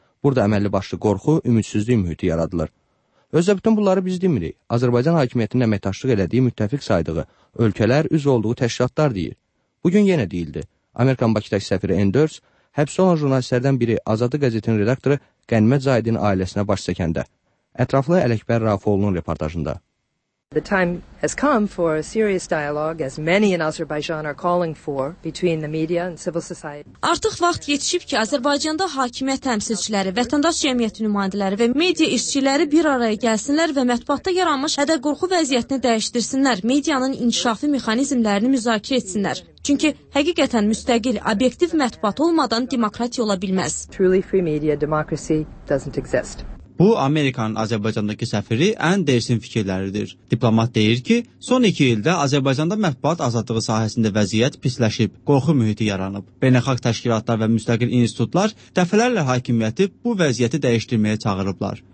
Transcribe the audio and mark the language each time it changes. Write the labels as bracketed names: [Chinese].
[Azerbaijani] Burada əməlli başlı qorxu, ümidsizlik mühiti yaradılır. Özə bütün bunları biz demirik. Azərbaycan hakimiyyətinin əməkdaşlıq elədiyi müttəfiq saydığı ölkələr üzv olduğu təşkilatlar deyir. Bugün yenə deyildi. Amerikan Bakıdakı səfiri Enders, həbs olunan jurnalistlərdən biri Azadlıq qəzetinin redaktoru Qənimət Zahidin ailəsinə baş çəkəndə. Ətraflı Ələkbər Rafoğlunun reportajında. [English] The time has come for a serious dialogue, as many in Azerbaijan are calling for, between the media and civil society. [Azerbaijani] Artıq vaxt yetişib ki, Azərbaycanda hakimiyyət təmsilçiləri, vətəndaş cəmiyyəti nümayəndələri və media işçiləri bir araya gəlsinlər və mətbuatda yaranmış hədə-qorxu vəziyyətini dəyişdirsinlər, medianın inkişafı mexanizmlərini müzakirə etsinlər. Çünki həqiqətən müstəqil, obyektiv mətbuat olmadan demokratiya ola bilməz. [English] Truly free media democracy doesn't exist. [Azerbaijani] Bu, Amerikanın Azərbaycandakı səfiri Andersin fikirləridir. Diplomat deyir ki, son iki ildə Azərbaycanda mətbuat azadlığı sahəsində vəziyyət pisləşib, qorxu mühiti yaranıb. Beynəlxalq təşkilatlar və müstəqil institutlar dəfələrlə hakimiyyəti bu vəziyyəti dəyişdirməyə çağırıblar.